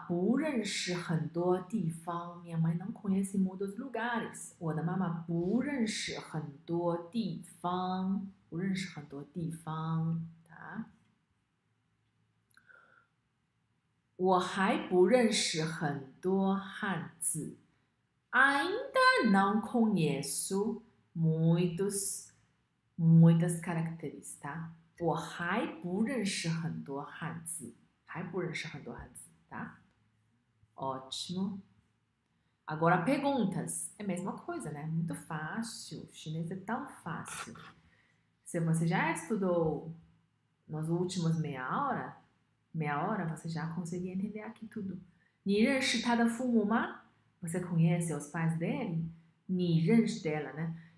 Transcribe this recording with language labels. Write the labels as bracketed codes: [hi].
[zh] 我的妈妈不认识很多地方. [pt] Minha mãe não conhece muitos lugares. [zh] 我的妈妈不认识很多地方. 不认识很多地方, tá? 我还不认识很多汉字. [pt] Ainda não conheço muitas características, tá? [zh] 我还不认识很多汉字. 还不认识很多汉字, tá? [pt] Ótimo. Agora, perguntas. É a mesma coisa, né? Muito fácil. O chinês é tão fácil. Se você já estudou nas últimas meia hora, você já conseguia entender aqui tudo. [zh] 你认识他的父母吗? [pt] Você conhece os pais dele? [zh] 你认识 [pt] dela, né?